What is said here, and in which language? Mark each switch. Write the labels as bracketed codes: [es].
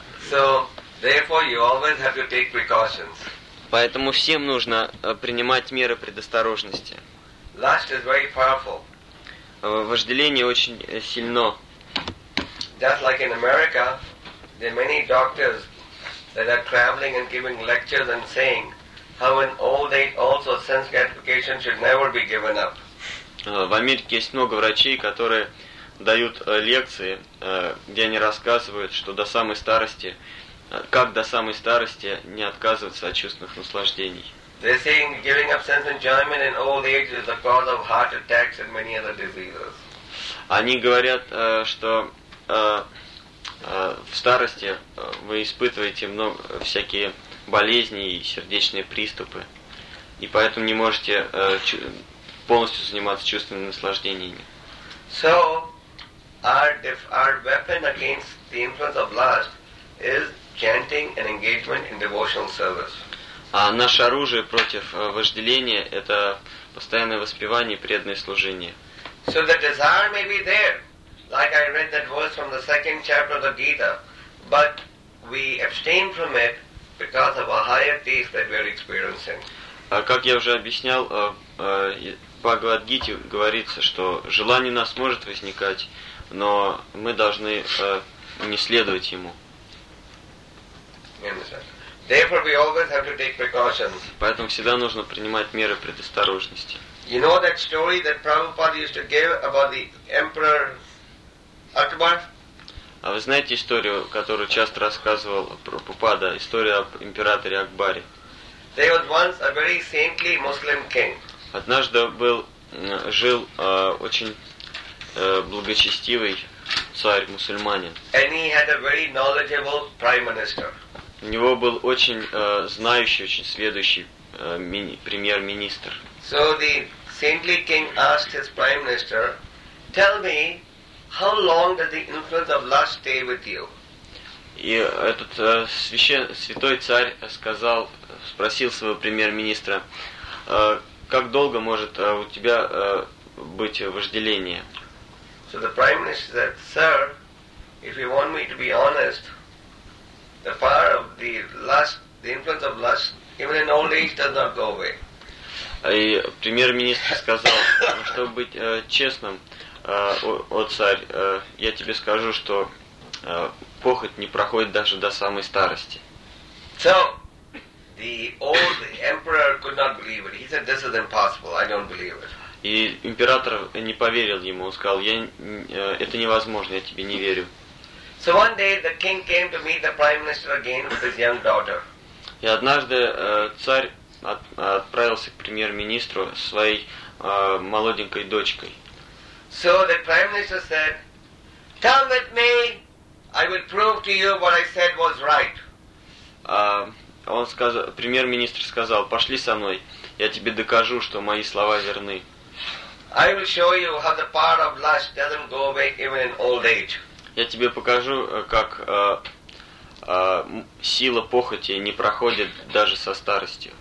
[en] So. Therefore, you always have to take precautions. [ru] Поэтому всем нужно принимать меры предосторожности. [en] Lust is very powerful. [ru] Вожделение очень сильно. [en] Just like in America, there are many doctors that are traveling and giving lectures and saying how in old age also sense gratification should never be given up. [ru] В Америке есть много врачей, которые дают лекции, где они рассказывают, что до самой старости как до самой старости не отказываться от чувственных наслаждений. [en] They're saying giving up sense enjoyment in old age is a cause of heart attacks and many other diseases. [ru] Они говорят, что в старости вы испытываете много всякие болезни и сердечные приступы, и поэтому не можете полностью заниматься чувственными наслаждениями. [en] So, our weapon against the influence of lust is chanting and engagement in devotional service. [ru] А наше оружие против вожделения – это постоянное воспевание и преданное служение. [en] So the desire may be there, like I read that verse from the second chapter of the Gita, but we abstain from it because of a higher taste that we are experiencing. [ru] Как я уже объяснял, Бхагавад-гите говорится, что желание у нас может возникать, но мы должны не следовать ему. [en] Therefore, we always have to take precautions. [ru] Поэтому всегда нужно принимать меры предосторожности. [en] You know that story that Prabhupada used to give about the Emperor Akbar? [ru] А вы знаете историю, которую часто рассказывал Прабхупада, история об императоре Акбаре? [en] There was once a very saintly Muslim king. [ru] Однажды жил очень благочестивый царь мусульманин. [en] And he had a very knowledgeable prime minister. [ru] У него был очень знающий, очень сведущий премьер-министр. [en] So the saintly king asked his prime minister, "Tell me, how long does the influence of lust stay with you?" [ru] И этот святой царь спросил своего премьер-министра, как долго может у тебя быть вожделение? [en] So the prime minister said, "Sir, if you want me to be honest, the power of the lust, the influence of lust, even in old age, does not go away." [ru] И премьер-министр сказал, чтобы быть честным, царь, я тебе скажу, что похоть не проходит даже до самой старости. [en] So the old emperor could not believe it. He said, "This is impossible. I don't believe it." [ru] И император не поверил ему, он сказал, это невозможно, я тебе не верю. [en] So one day the king came to meet the prime minister again with his young daughter. [ru] И однажды царь отправился к премьер-министру с своей молоденькой дочкой. [en] So the prime minister said, "Come with me, I will prove to you what I said was right." [ru] Премьер-министр сказал, "Пошли со мной, я тебе докажу, что мои слова верны." [en] I will show you how the power of lust doesn't go away even in old age. [ru] Я тебе покажу, как сила похоти не проходит даже со старостью.